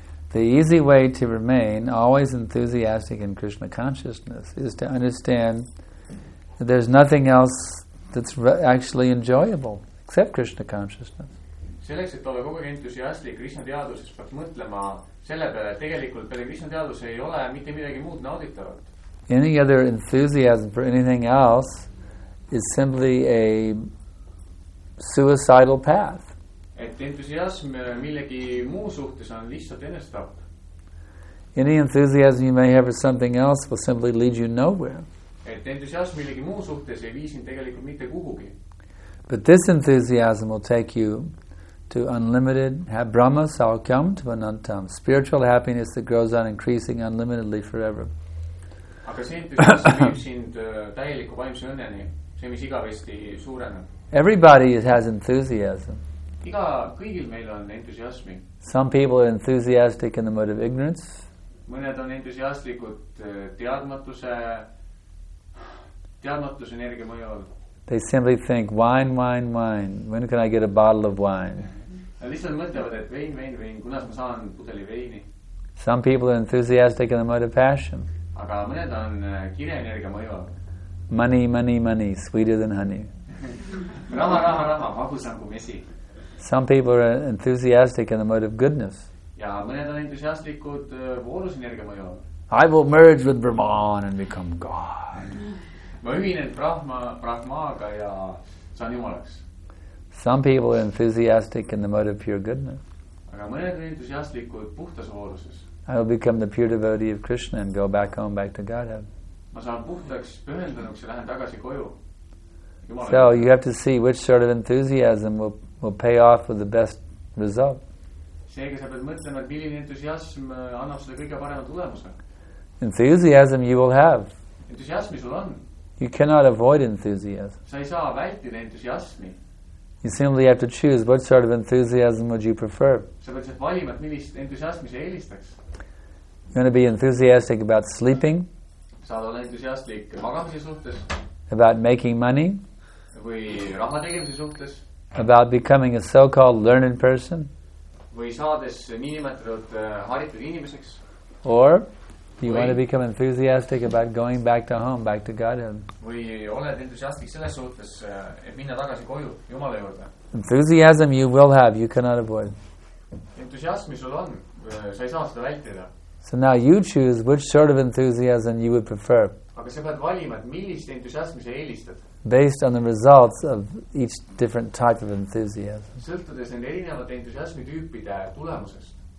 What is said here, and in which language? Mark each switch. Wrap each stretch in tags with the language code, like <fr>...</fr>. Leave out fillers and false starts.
<en>The easy way to remain always enthusiastic in Krishna consciousness is to understand there's nothing else that's actually enjoyable except Krishna consciousness.</en> <et>Selleks, et ole kogu aeg entusiastlik Krishna teaduses, peab mõtlema selle peale, et tegelikult peale Krishna teaduse ei ole mitte midagi muud nauditavat.</et> <en>Any other enthusiasm for anything else is simply a suicidal path.</en> <et>Et entusiasm millegi muu suhtes on lihtsalt enestap.</et> <en>Any enthusiasm you may have for something else will simply lead you nowhere.</en> <et>Et entusiasm millegi muu suhtes ei viisin tegelikult mitte kuhugi.</et> <en>But this enthusiasm will take you to unlimited Brahma Saukyam to Anantam, spiritual happiness that grows on increasing unlimitedly forever.</en> <et>Aga see entusiasm viib sind täieliku vaimse õnneni, see mis igavesti suureneb.</et> <en>Everybody has enthusiasm.</en> <et>Iga kõigil meil on entusiasmi.</et> <en>Some people are enthusiastic in the mode of ignorance.</en> <et>Mõned on entusiastlikud teadmatuse energia mõjul.</et> <en>They simply think, wine, when can I get a bottle of wine?</en> <et>Lihtsalt mõtlevad, et vein, kunas ma saan pudeli veini.</et> <en>Some people are enthusiastic in the mode of passion.</en> <et>Aga mõned on kire energia mõjul.</et> <en>Money, sweeter than honey.</en> <et>Raha, magusam kui mesi.</et> <en>Some people are enthusiastic in the mode of goodness.</en> <et>Ja mõned on entusiastlikud voorus energia mõjul.</et> <en>I will merge with Brahman and become God.</en> <et>Ma ühinen Brahmaaga ja saan jumalaks.</et> <en>Some people are enthusiastic in the mode of pure goodness.</en> <et>Aga mõned on entusiastlikud puhtas vooruses.</et> <en>I will become the pure devotee of Krishna and go back home, back to Godhead.</en> <et>Ma saan puhtaks pühendunuks ja lähen tagasi koju.</et> <en>So you have to see which sort of enthusiasm will pay off with the best result.</en> <et>Seega sa pead mõtlema, et milline entusiasm annab seda kõige parema tulemuse.</et> <en>Enthusiasm you will have.</en> <et>Entusiasmi sul on.</et> <en>You cannot avoid enthusiasm.</en> <et>Sa ei saa vältida entusiasmi.</et> <en>You simply have to choose what sort of enthusiasm would you prefer.</en> <et>Sa pead valima, et millist entusiasmi sa eelistaks.</et> <en>You want to be enthusiastic about sleeping?</en> <et>Sa oled entusiastlik magamise suhtes.</et> <en>About making money?</en> <et>Või raha tegemise suhtes.</et> <en>About becoming a so-called learned person?</en> <et>Või saades niinimetatud haritud inimeseks.</et> <en>Or do you want to become enthusiastic about going back to home, back to Godhead?</en> <et>Või oled entusiastlik selles suhtes, et minna tagasi koju, Jumala juurde?</et> <en>Enthusiasm you will have, you cannot avoid.</en> <et>Entusiasmi sul on, sa ei saa seda vältida.</et> <en>So now you choose which sort of enthusiasm you would prefer.</en> <et>Aga sa pead valima, et millist entusiasmi sa eelistad.</et> <en>Based on the results of each different type of enthusiasm.</en> <et>Sõltudes end erinevate entusiasmi tüüpide tulemusest.</et>